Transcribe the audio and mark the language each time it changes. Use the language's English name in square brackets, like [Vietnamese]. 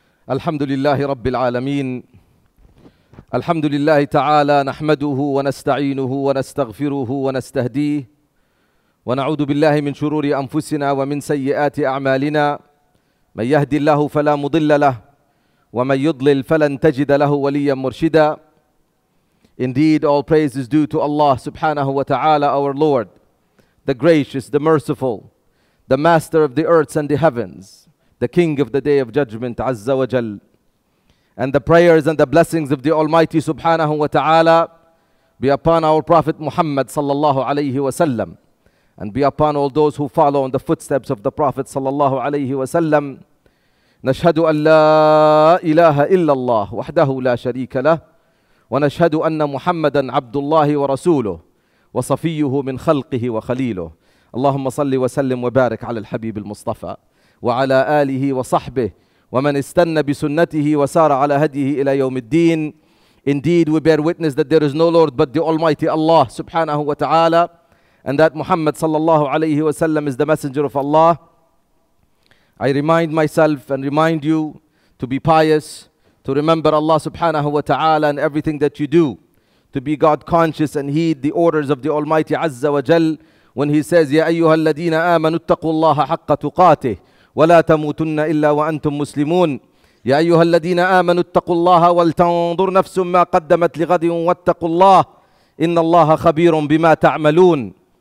[Arabic] الحمد لله رب العالمين الحمد لله تعالى نحمده ونستعينه ونستغفره ونستهديه ونعوذ بالله من شرور أنفسنا ومن سيئات أعمالنا من يهدي الله فلا مضل له ومن يضلل فلن تجد له وليا مرشدا. [English] Indeed, all praise is due to Allah subhanahu wa ta'ala, our Lord, the gracious, the merciful, the master of the earths and the heavens, the King of the Day of Judgment, Azza wa Jal. And the prayers and the blessings of the Almighty subhanahu wa ta'ala be upon our Prophet Muhammad sallallahu alayhi wa sallam, and be upon all those who follow in the footsteps of the Prophet sallallahu alayhi wa sallam. [Arabic] Nashhadu an la ilaha illallah wahdahu la sharika lah, wa nashhadu anna Muhammadan abdullahi wa rasuluh, wa safiyuhu min khalqihi wa khaliluh. Allahumma salli wa sallim wa barik ala al-habib al-mustafa وعلى آله وصحبه ومن استنى بسنته وسار على هديه إلى يوم الدين. [English] Indeed, we bear witness that there is no Lord but the Almighty Allah subhanahu wa ta'ala, and that Muhammad sallallahu alayhi wa sallam is the messenger of Allah. I remind myself and remind you to be pious, to remember Allah subhanahu wa ta'ala and everything that you do, to be God conscious and heed the orders of the Almighty Azza wa Jal when he says, [Arabic] يَا أَيُّهَا الَّذِينَ آمَنُوا اتَّقُوا اللَّهَ حَقَّ تُقَاتِهِ ولا تموتن الا وانتم مسلمون يا ايها الذين امنوا اتقوا الله ولتنظر نفس ما قدمت لغد واتقوا الله ان الله خبير بما تعملون.